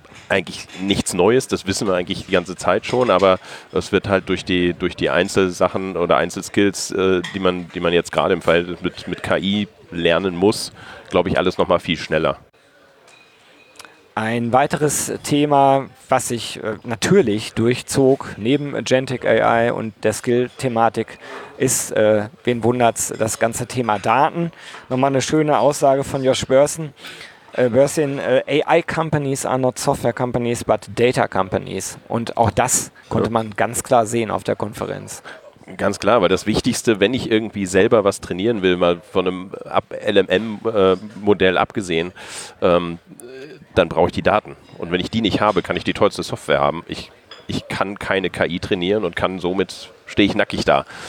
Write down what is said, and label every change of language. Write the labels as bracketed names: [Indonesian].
[German] Eigentlich nichts Neues, das wissen wir eigentlich die ganze Zeit schon, aber es wird halt durch die Einzelsachen oder Einzelskills, die man jetzt gerade im Verhältnis mit KI lernen muss, glaube ich, alles nochmal viel schneller. Ein weiteres Thema, was sich natürlich durchzog neben Agentic AI und der Skill-Thematik, ist, wen wundert's, das ganze Thema Daten. Nochmal eine schöne Aussage von Josh Börsen. [English] AI companies are not software companies, but data companies. [German] Und auch das konnte man ganz klar sehen auf der Konferenz. Ganz klar, weil das Wichtigste, wenn ich irgendwie selber was trainieren will, mal von einem LLM-Modell abgesehen, dann brauche ich die Daten. Und wenn ich die nicht habe, kann ich die tollste Software haben. Ich kann keine KI trainieren und kann somit, stehe ich nackig da.